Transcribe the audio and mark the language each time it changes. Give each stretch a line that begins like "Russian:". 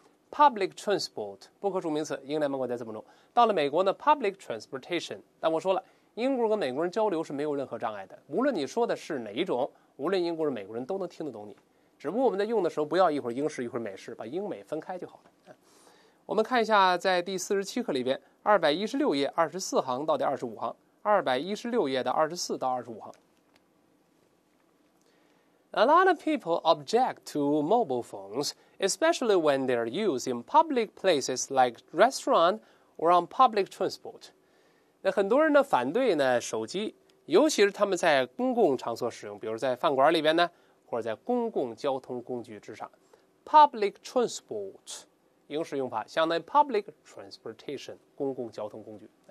Chinese: public transport 不可数名词，英联邦国家怎么弄，到了美国呢 public transportation， 但我说了英国人跟美国人交流是没有任何障碍的，无论你说的是哪一种，无论英国人美国人都能听得懂你，只不过我们在用的时候不要一会儿英式一会儿美式，把英美分开就好了。我们看一下在第47课里边216页24行到第25行，216页的24到25行。
English: A lot of people object to mobile phones, especially when they are used in public places like restaurant or on public transport.
Chinese: 那很多人呢反对呢手机，尤其是他们在公共场所使用，比如在饭馆里边呢，或者在公共交通工具之上。 Public transport 英式用法相当于 public transportation 公共交通工具。